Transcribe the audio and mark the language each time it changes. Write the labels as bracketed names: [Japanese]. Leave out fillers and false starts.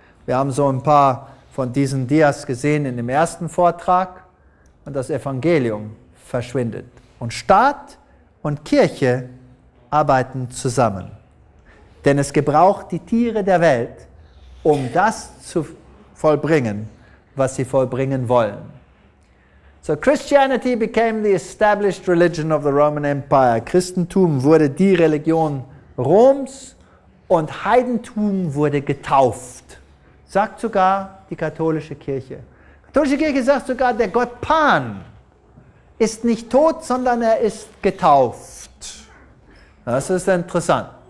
[German] Wir haben so ein paar von diesen Dias gesehen in dem ersten Vortrag und das Evangelium verschwindet. Und Staat und Kirche arbeiten zusammen. Denn es gebraucht die Tiere der Welt, um das zu vollbringen, was sie vollbringen wollen. [English] So Christianity became the established religion of the Roman Empire. [German] Christentum wurde die Religion Roms und Heidentum wurde getauft. Sagt sogar die katholische Kirche. Die katholische Kirche sagt sogar, der Gott Pan ist nicht tot, sondern er ist getauft. Das ist interessant.